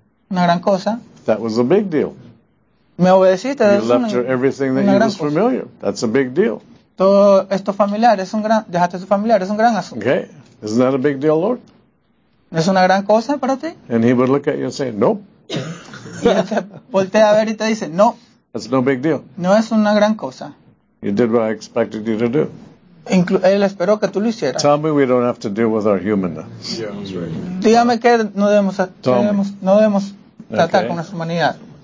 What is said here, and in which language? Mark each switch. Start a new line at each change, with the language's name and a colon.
Spanish: Una gran cosa.
English: That was a big deal.
Spanish: Me obedeciste.
English: You left your everything that you was familiar. That's a big deal.
Spanish: Todo esto familiar es un gran. Dejaste tu familiar es un gran asunto.
English: Okay, isn't that a big deal, Lord?
Spanish: Es una gran cosa para ti.
English: And he would look at you and say, nope.
Spanish: Y él te voltea a ver y te dice, no.
English: That's no big deal.
Spanish: No es una gran cosa.
English: You did what I expected you to do.
Spanish: Él esperó que tú lo hicieras.
English: Tell me we don't have to deal with our humanness. Yeah, that's right.
Spanish: Dígame que no debemos, no debemos tratar okay. Con nuestra humanidad.